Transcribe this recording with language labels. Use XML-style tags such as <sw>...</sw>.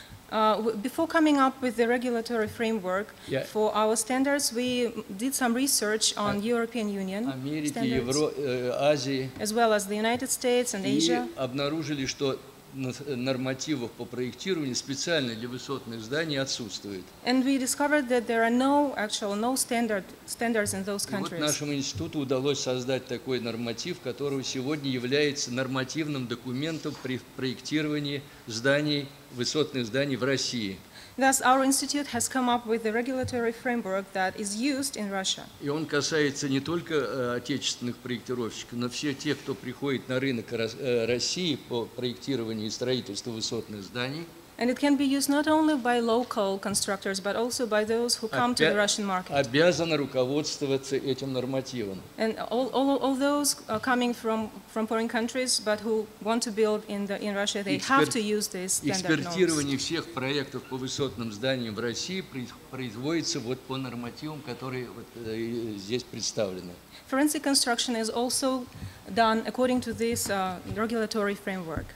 <en>Before coming up with the regulatory framework for our standards, we did some research on European Union</en> <ru>Америки,</ru> <en>standards,</en> <ru>Азии,</ru> <en>as well as the United States and Asia.</en> <ru>И обнаружили, что нормативов по проектированию специально для высотных зданий отсутствует.</ru> <en>And we discovered that there are no standards in those countries.</en> <ru>И вот нашему институту удалось создать такой норматив, который сегодня является нормативным документом при проектировании зданий, высотных зданий в России.</ru> <en>Thus, our institute has come up with a regulatory framework that is used in Russia.</en> <ru>И он касается не только отечественных проектировщиков, но все те, кто приходит на рынок России по проектированию и строительству высотных зданий.</ru> <en>And it can be used not only by local constructors, but also by those who come to the Russian market.</en> <ru>Обязаны руководствоваться этим нормативом.</ru> <en>And all those coming from foreign countries, but who want to build in Russia, they have to use these standard norms.</en> <ru>Экспертирование всех проектов по высотным зданиям в России производится вот по нормативам, которые вот здесь представлены.</ru> <en>Forensic construction is also done according to this regulatory framework.</en>